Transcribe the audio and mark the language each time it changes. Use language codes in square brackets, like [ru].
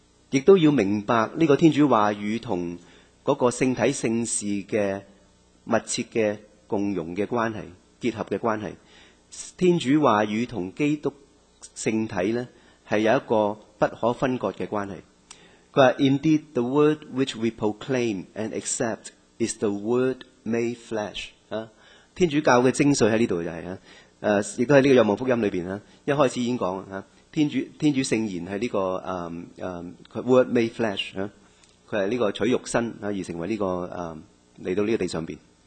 [yue] 亦都要明白这个天主话语和那个圣体圣事的密切的共融的关系，结合的关系。天主话语和基督圣体呢，是有一个不可分割的关系。他说 [en] Indeed, the word which we proclaim and accept is the word made flesh。 [yue] 天主教的精髓在这里就是，亦都在这个约望福音里面，一开始已经说，天主圣言是这个 [en] word made flesh， [yue] 他是这个取肉身而成为这个来到这个地上面。